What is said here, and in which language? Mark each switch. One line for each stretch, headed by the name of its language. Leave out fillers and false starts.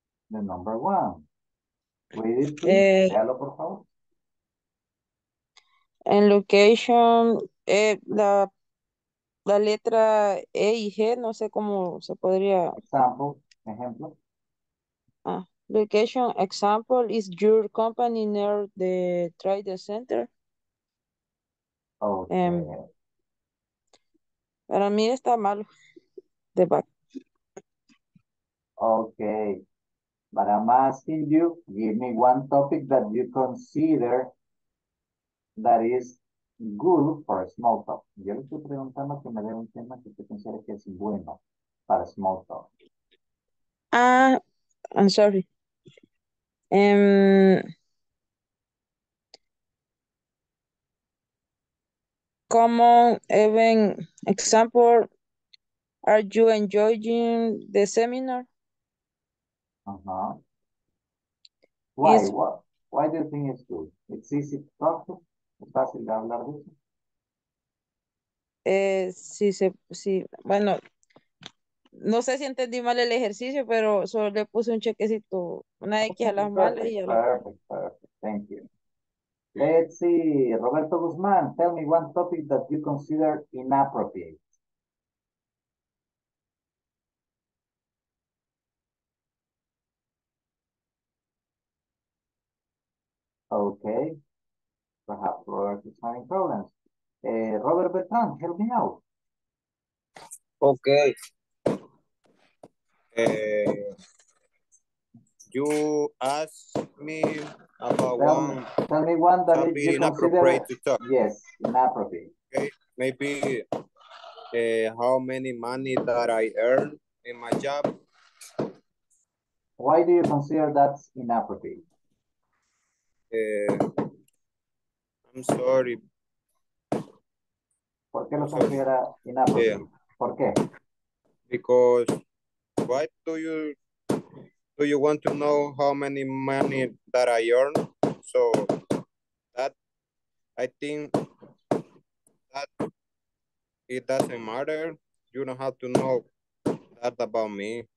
English: The number one.
Spanish: Léalo, por favor. En location, la letra E y G, no sé cómo se podría.
English: Example, ejemplo. Location example, is your company near the trade center? Okay.
Spanish: Para mí está mal de back.
English: Okay. But I'm asking you, give me one topic that you consider that is good for a small talk.
Spanish: Yo le estoy preguntando que me dé un tema que usted considere que es bueno para small talk.
English: I'm sorry. Common event example, are you enjoying the seminar? Uh-huh. Why? Why do you think it's good? It's easy to talk to? It's
Spanish: fácil de hablar de eso? Sí. Bueno, no sé si entendí mal el ejercicio, pero solo le puse un chequecito, una X a las malas y ya.
English: Perfect. Thank you. Let's see, Roberto Guzmán, tell me one topic that you consider inappropriate. Okay, perhaps Robert is having problems. Robert Bertrán, help me out. Okay. You ask me about tell me one that is inappropriate to talk. Yes, inappropriate. Okay. Maybe how many money that I earn in my job. Why do you consider that's inappropriate? I'm sorry.
Spanish: ¿Por qué lo considera inappropriate? Yeah. ¿Por qué?
English: Because why do you want to know how many money that I earn? So that I think that it doesn't matter. You don't have to know that about me.